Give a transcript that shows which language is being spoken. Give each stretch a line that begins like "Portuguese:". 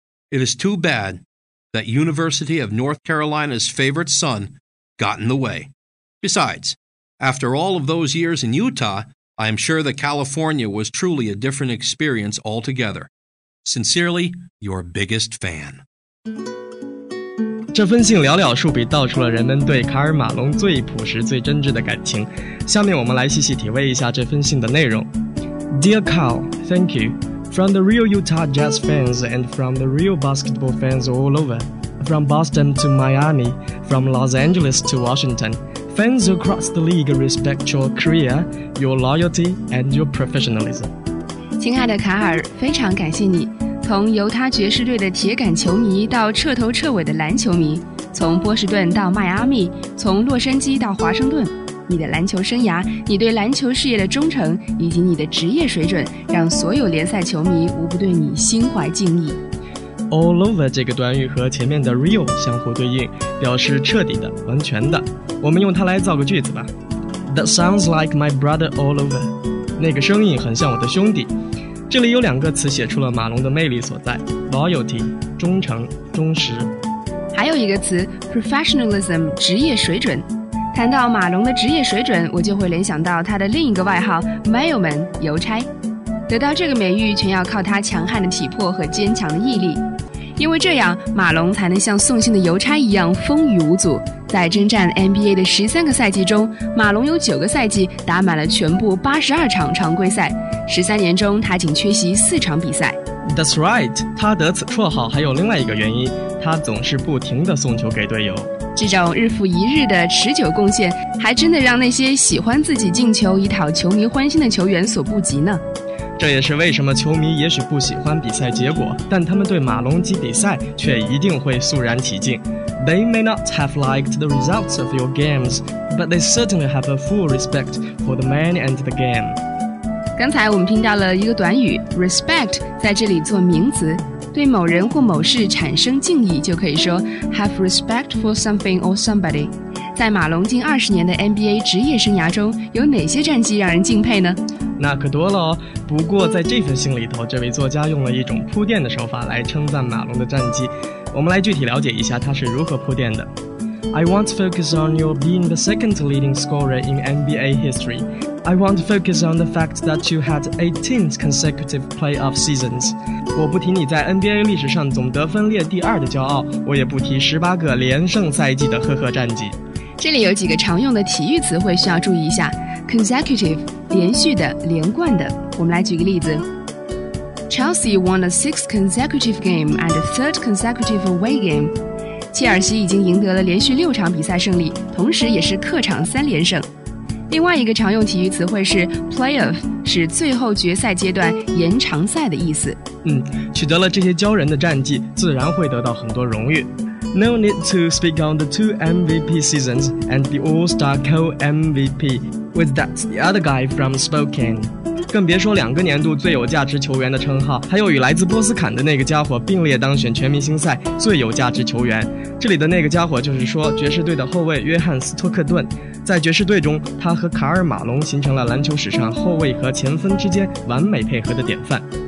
English: It is too bad that University of North Carolina's favorite son,got in the way. Besides, after all of those years in Utah, I am sure that California was truly a different experience altogether. Sincerely, your biggest fan.
Chinese: 这封信寥寥数笔道出了人们对卡尔马龙最朴实最真挚的感情。下面我们来细细体味一下这封信的内容。
English: Dear Carl, thank you. From the real Utah Jazz fans and from the real basketball fans all over. From Boston to Miami, from Los Angeles to Washington, fans across the league respect your career, your loyalty, and your professionalism.
Chinese: 亲爱的卡尔，非常感谢你。从犹他爵士队的铁杆球迷到彻头彻尾的篮球迷，从波士顿到迈阿密，从洛杉矶到华盛顿，你的篮球生涯，你对篮球事业的忠诚，以及你的职业水准，让所有联赛球迷无不对你心怀敬意。 All over 这个短语和前面的 real 相互对应，表示彻底的、完全的。我们用它来造个句子吧。
English: That sounds like my brother all over.
Chinese: 那个声音很像我的兄弟。这里有两个词写出了马龙的魅力所在 ：loyalty 忠诚、忠实。还有一个词 professionalism 职业水准。谈到马龙的职业水准，我就会联想到他的另一个外号 mailman 邮差。得到这个美誉全要靠他强悍的体魄和坚强的毅力，因为这样马龙才能像送信的邮差一样风雨无阻。在征战 NBA 的13个赛季中，马龙有9个赛季打满了全部82场常规赛，13年中他仅缺席4场比赛。
English: That's right，
Chinese: 他得此绰号还有另外一个原因，他总是不停地送球给队友。这种日复一日的持久贡献，还真的让那些喜欢自己进球以讨球迷欢心的球员所不及呢。这也是为什么球迷也许不喜欢比赛结果，但他们对马龙及比赛却一定会肃然起敬。
English: They may not have liked the results of your games, but they certainly have a full respect for the man and the game.
Chinese: 刚才我们听到了一个短语 respect， 在这里做名词，对某人或某事产生敬意，就可以说
English: have respect for something or somebody。
Chinese: 在马龙近20年的 NBA 职业生涯中，有哪些战绩让人敬佩呢？那可多了哦。不过在这份信里头，这位作家用了一种铺垫的手法来称赞马龙的战绩。我们来具体了解一下他是如何铺垫的。
English: I want to focus on your being the second leading scorer in NBA history. I want to focus on the fact that you had 18 consecutive playoff seasons.
Chinese: 我不提你在 NBA 历史上总得分列第二的骄傲，我也不提18个连胜赛季的赫赫战绩。这里有几个常用的体育词汇需要注意一下。Consecutive 连续的、连贯的。我们来举个例子。
English: Chelsea won a 6th consecutive game and a 3rd consecutive away game.
Chinese: 切尔西已经赢得了连续6场比赛胜利，同时也是客场3连胜。另外一个常用体育词汇是 playoff， 是最后决赛阶段延长赛的意思。取得了这些骄人的战绩，自然会得到很多荣誉。
English: No need to speak on the two MVP seasons and the All-Star Co-MVP with that the other guy from Spokane.
Chinese: 更别说两个年度最有价值球员的称号，还有与来自波斯坎的那个家伙并列当选全明星赛最有价值球员。这里的那个家伙就是说爵士队的后卫约翰斯托克顿。在爵士队中，他和卡尔马龙形成了篮球史上后卫和前锋之间完美配合的典范。